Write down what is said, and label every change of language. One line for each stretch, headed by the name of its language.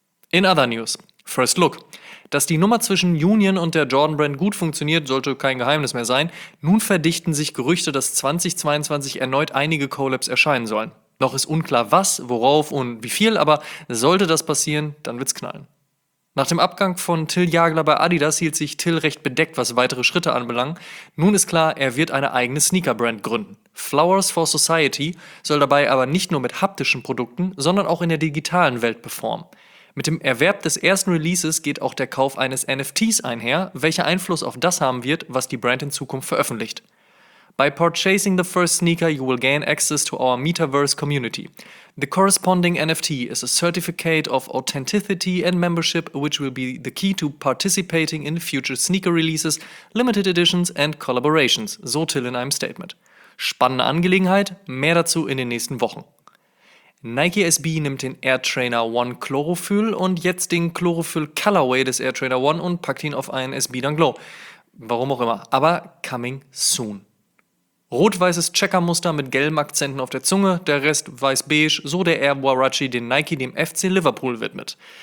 English: In other news, first look.
German: Dass die Nummer zwischen Union und der Jordan Brand gut funktioniert, sollte kein Geheimnis mehr sein. Nun verdichten sich Gerüchte, dass 2022 erneut einige Collabs erscheinen sollen. Noch ist unklar was, worauf und wie viel, aber sollte das passieren, dann wird's knallen. Nach dem Abgang von Till Jagler bei Adidas hielt sich Till recht bedeckt, was weitere Schritte anbelangt. Nun ist klar, er wird eine eigene Sneaker-Brand gründen. Flowers for Society soll dabei aber nicht nur mit haptischen Produkten, sondern auch in der digitalen Welt performen. Mit dem Erwerb des ersten Releases geht auch der Kauf eines NFTs einher, welcher Einfluss auf das haben wird, was die Brand in Zukunft veröffentlicht.
English: By purchasing the first sneaker, you will gain access to our Metaverse community. The corresponding NFT is a certificate of authenticity and membership, which will be the key to participating in future sneaker releases, limited editions and collaborations,
German: so Till in einem Statement. Spannende Angelegenheit, mehr dazu in den nächsten Wochen. Nike SB nimmt den Air Trainer One Chlorophyll und jetzt den Chlorophyll Colorway des Air Trainer One und packt ihn auf einen SB Dunk Low. Warum auch immer, aber
English: coming soon.
German: Rot-weißes Checkermuster mit gelben Akzenten auf der Zunge, der Rest weiß-beige, so der Air Warachi, den Nike dem FC Liverpool widmet.